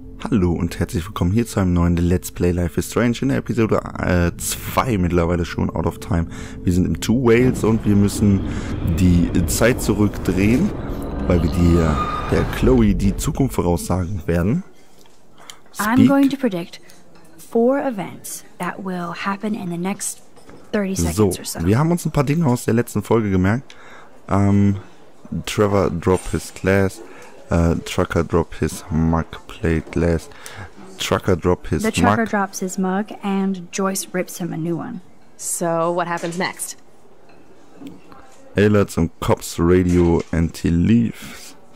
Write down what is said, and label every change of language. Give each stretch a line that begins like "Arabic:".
German: Hallo und herzlich willkommen hier zu einem neuen Let's Play Life is Strange in der Episode 2 mittlerweile schon out of time. Wir sind im Two Whales und wir müssen die Zeit zurückdrehen, weil wir der Chloe die Zukunft voraussagen werden.
English: Speak. I'm going to predict four events that will happen in the next 30 seconds so, or so.
German: Wir haben uns ein paar Dinge aus der letzten Folge gemerkt.
English: Trevor drop his glass. Trucker drop his mug, plate glass. Trucker drop his mug. The trucker drops his mug and Joyce rips him a new one. So, what happens next? Alerts on cops radio and he leaves.